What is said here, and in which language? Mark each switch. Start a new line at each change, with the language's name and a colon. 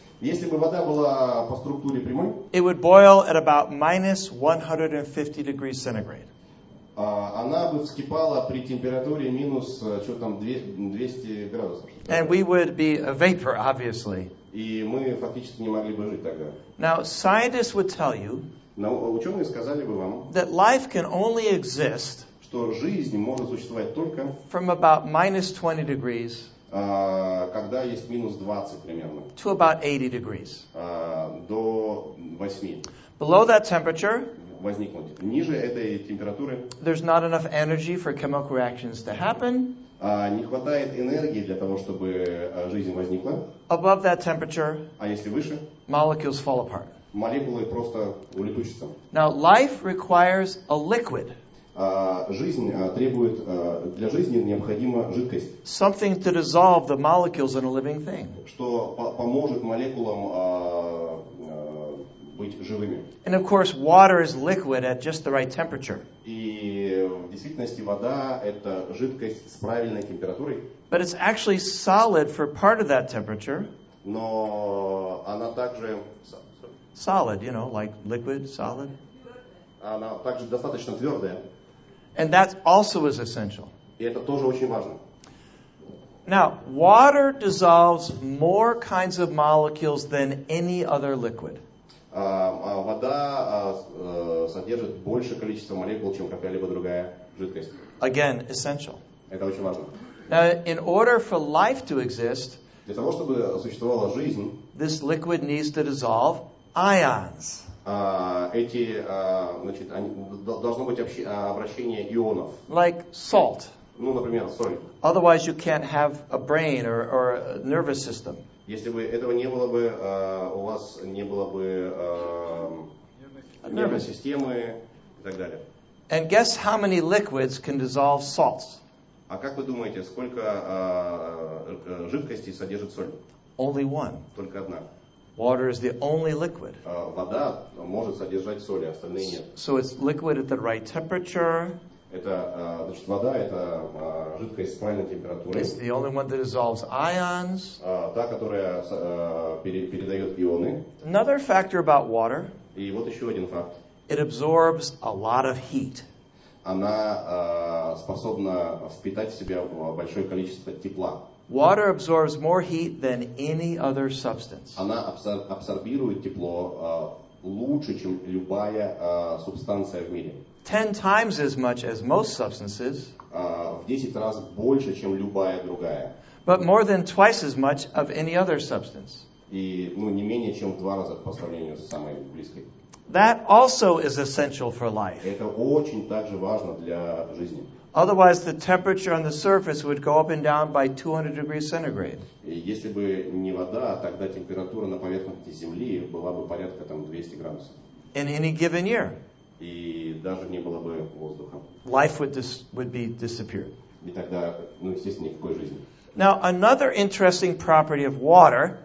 Russian: если бы вода была по структуре прямой,
English: it would boil at about minus 150 degrees centigrade.
Russian: Она бы вскипала при температуре минус, что там, 200 градусов.
English: And we would be a vapor, obviously.
Russian: И мы фактически не могли бы жить тогда.
English: Now, scientists would tell you,
Russian: ученые сказали бы вам,
English: that life can only exist,
Russian: что жизнь может существовать только,
English: from about minus 20 degrees,
Russian: когда есть минус 20 примерно,
English: to about 80 degrees,
Russian: до 8.
English: Below that temperature,
Russian: возникнуть. Ниже этой температуры,
English: there's not enough energy for chemical reactions to happen.
Russian: Не хватает энергии для того, чтобы жизнь возникла.
English: Above that temperature,
Russian: а если выше,
English: molecules fall apart.
Russian: Молекулы просто улетучатся.
English: Now, life requires a liquid.
Russian: Жизнь требует, для жизни необходима жидкость.
English: Something to dissolve the molecules in a living thing.
Russian: Что поможет молекулам быть живыми.
English: And of course, water is liquid at just the right temperature.
Russian: И в действительности вода это жидкость с правильной температурой.
English: But it's actually solid for part of that temperature.
Russian: Но она также
English: solid, you know, like liquid, solid.
Russian: Она также достаточно твердая.
English: And that also is essential.
Russian: И это тоже очень важно.
English: Now, water dissolves more kinds of molecules than any other liquid.
Russian: Содержит большее количество молекул, чем какая-либо другая жидкость.
English: Again, essential.
Russian: Это очень важно.
English: Now, in order for life to exist,
Russian: для того, чтобы существовала жизнь,
English: this liquid needs to dissolve ions.
Russian: Должно быть обращение ионов.
English: Like salt.
Russian: Ну, например, соль.
English: Otherwise, you can't have a brain or a nervous system.
Russian: Если бы этого не было бы, у вас не было бы нервной системы и так далее.
English: And guess how many liquids can dissolve salts?
Russian: А как вы думаете, сколько жидкостей содержит соль?
English: Only one.
Russian: Только одна.
English: Water is the only liquid.
Russian: Вода может содержать соли, остальные нет.
English: So it's liquid at the right temperature.
Russian: Это, значит, вода – это жидкость с правильной температурой.
English: It's the only one that dissolves ions.
Russian: Та, которая передает ионы.
English: Another factor about water.
Russian: И вот еще один факт.
English: It absorbs a lot of heat.
Russian: Она способна впитать в себя большое количество тепла.
English: Water absorbs more heat than any other substance.
Russian: Она абсорбирует тепло лучше, чем любая субстанция в мире.
English: 10 times as much as most substances.
Russian: В 10 раз больше, чем любая другая.
English: But more than twice as much of any other substance.
Russian: И, ну, не менее, чем в 2 раза по сравнению с самой близкой.
English: That also is essential for life.
Russian: Это очень также важно для жизни.
English: Otherwise, the temperature on the surface would go up and down by 200 degrees centigrade.
Russian: Если бы не вода, тогда температура на поверхности Земли была бы порядка там 200 градусов.
English: In any given year.
Russian: И даже не было бы воздуха.
English: Life would be disappeared.
Russian: И тогда, ну, естественно, никакой жизни.
English: Now, another interesting property of water.